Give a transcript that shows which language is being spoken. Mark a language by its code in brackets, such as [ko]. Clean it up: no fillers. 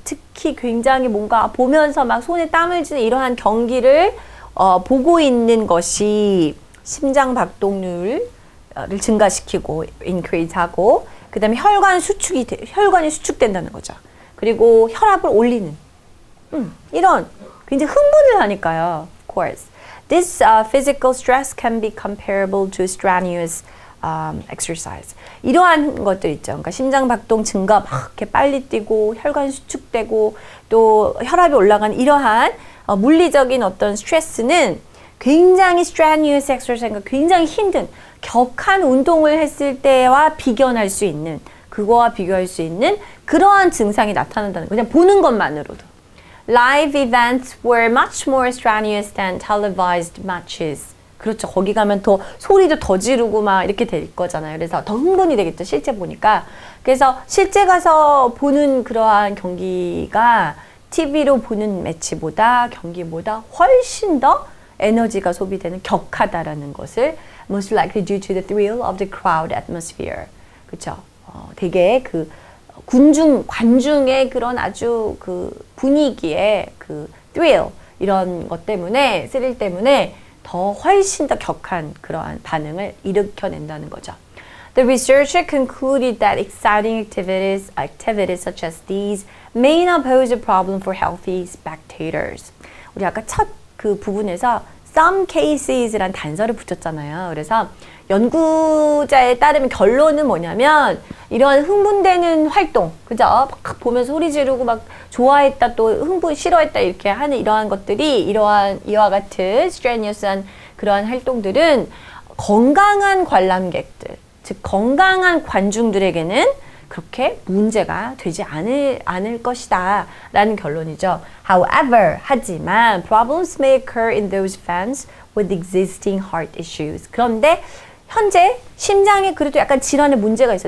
[ko] 특히 굉장히 뭔가 보면서 막 손에 땀을 쥐는 이러한 경기를 보고 있는 것이 심장 박동률을 증가시키고 increase하고 그 다음에 혈관이 수축된다는 거죠. 그리고 혈압을 올리는 이런 굉장히 흥분을 하니까요. [en] Of course. This physical stress can be comparable to strenuous exercise. [ko] 이러한 것들 있죠. 그러니까 심장 박동 증가 막 이렇게 빨리 뛰고 혈관 수축되고 또 혈압이 올라가는 이러한 물리적인 어떤 스트레스는 굉장히 strenuous exercise, 굉장히 힘든 격한 운동을 했을 때와 비견할 수 있는 그거와 비교할 수 있는 그러한 증상이 나타난다는 거. 그냥 보는 것만으로도. [en] Live events were much more strenuous than televised matches. [ko] 그렇죠. 거기 가면 더 소리도 더 지르고 막 이렇게 될 거잖아요. 그래서 더 흥분이 되겠죠. 실제 보니까. 그래서 실제 가서 보는 그러한 경기가 TV로 보는 매치보다 경기보다 훨씬 더 에너지가 소비되는 격하다라는 것을 [en] most likely due to the thrill of the crowd atmosphere. [ko] 그렇죠. 되게 그 관중의 그런 아주 그 분위기에 그 thrill 이런 것 때문에 스릴 때문에 더 훨씬 더 격한 그러한 반응을 일으켜낸다는 거죠. [en] The researcher concluded that exciting activities such as these may not pose a problem for healthy spectators. [ko] 우리 아까 첫 그 부분에서 [en] some cases [ko] 란 단서를 붙였잖아요. 그래서 연구자에 따르면 결론은 뭐냐면 이러한 흥분되는 활동, 그죠? 막 보면서 소리 지르고 막 좋아했다 또 흥분 싫어했다 이렇게 하는 이러한 것들이 이러한 이와 같은 strenuous한 그러한 활동들은 건강한 관람객들, 즉 건강한 관중들에게는 그렇게 문제가 되지 않을 것이다 라는 결론이죠. [en] However, [ko] 하지만 [en] problems may occur in those fans with existing heart issues. [ko] 그런데 현재 심장에 그래도 약간 질환의 문제가 있어.